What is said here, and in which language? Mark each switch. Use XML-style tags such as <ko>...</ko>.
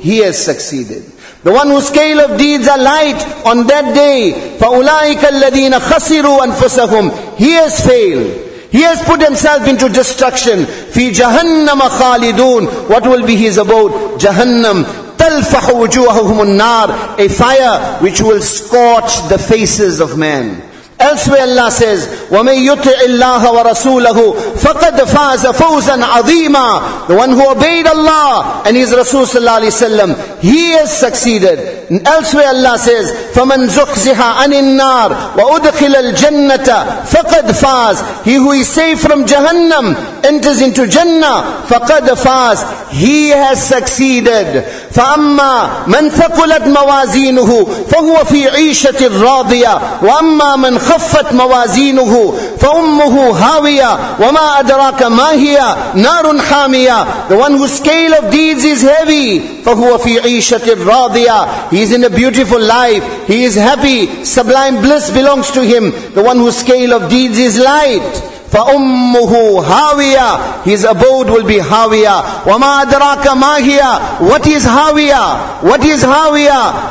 <en>He has succeeded. The one whose scale of deeds are light on that day,</en> <ar>فَأُولَٰئِكَ الَّذِينَ خَسِرُوا أَنفُسَهُمْ.</ar> <en>He has failed. He has put himself into destruction.</en> <ar>فِي جَهَنَّمَ خَالِدُونَ.</ar> <en>What will be his abode? Jahannam.</en> <ar>تَلْفَحُ وُجُوهَهُمُ النَّارِ.</ar> <en>A fire which will scorch the faces of man. Elsewhere Allah says,</en> <ar>وَمَنْ يُطِعِ اللَّهَ وَرَسُولَهُ فَقَدْ فَازَ فَوْزًا عَظِيمًا.</ar> <en>The one who obeyed Allah and his Rasul sallallahu alayhi wa sallam, he has succeeded. Elsewhere Allah says,</en> <ar>فَمَنْ زُخْزِحَ عَنِ النَّارِ وَأُدْخِلَ الْجَنَّةَ فَقَدْ فَازَ.</ar> <en>He who is saved from Jahannam enters into Jannah,</en> <ar>فَقَدْ فَازَ.</ar> <en>He has succeeded.</en> <ar>فَأَمَّا مَنْ ثَقُلَتْ مَوَازِينُهُ فَهُوَ فِي عِيشَةِ الرَّاضِيَةِ وَأَمَّا مَنْ خَفَّتْ مَوَازِينُهُ فَأُمُّهُ هَاوِيَةٌ وَمَا أَدْرَاكَ مَا هِيَ نَارٌ حَامِيَةٌ.</ar> <en>The one whose scale of deeds is heavy,</en> <ar>فَهُوَ فِي عِيشَةِ الرَّاضِيَةِ.</ar> <en>He is in a beautiful life. He is happy. Sublime bliss belongs to him. The one whose scale of deeds is light.</en> <ar>فَأُمُّهُ هَاوِيَةٌ.</ar> <en>His abode will be هَاوِيَةٌ.</en> <ar>وَمَا أَدْرَاكَ مَا هِيَ.</ar> <en>What is هَاوِيَةٌ? What is هَاوِيَةٌ?</en>